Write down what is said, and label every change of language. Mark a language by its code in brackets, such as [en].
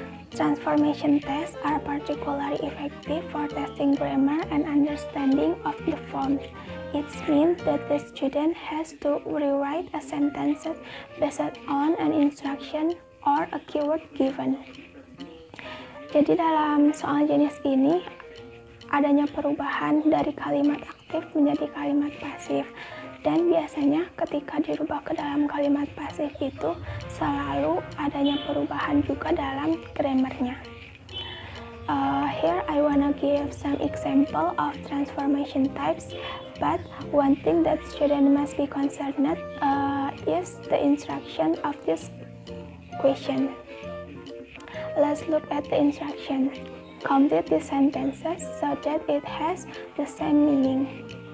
[en] Transformation tests are particularly effective for testing grammar and understanding of the forms. It means that the student has to rewrite a sentence based on an instruction or a keyword given. [id] Jadi dalam soal jenis ini, adanya perubahan dari kalimat aktif menjadi kalimat pasif. Dan biasanya ketika dirubah ke dalam kalimat pasif itu selalu adanya perubahan juga dalam grammarnya. [en] Here I wanna give some example of transformation types, but one thing that student must be concerned is the instruction of this question. Let's look at the instruction. Complete the sentences so that it has the same meaning.